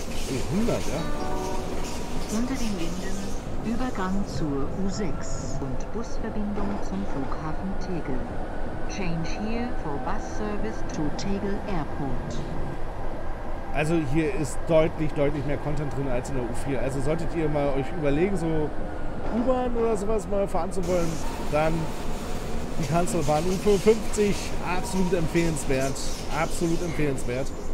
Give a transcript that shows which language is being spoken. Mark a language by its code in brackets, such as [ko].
[de] E 100, ja. Unter den Linden Übergang zur U6 und Busverbindung zum Flughafen Tegel. [en] Change here for bus service to Tegel Airport. [de] Also hier ist deutlich, deutlich mehr Content drin als in der U4. Also solltet ihr mal euch überlegen, so U-Bahn oder sowas mal fahren zu wollen, dann die Kanzelbahn U55, absolut empfehlenswert, absolut empfehlenswert.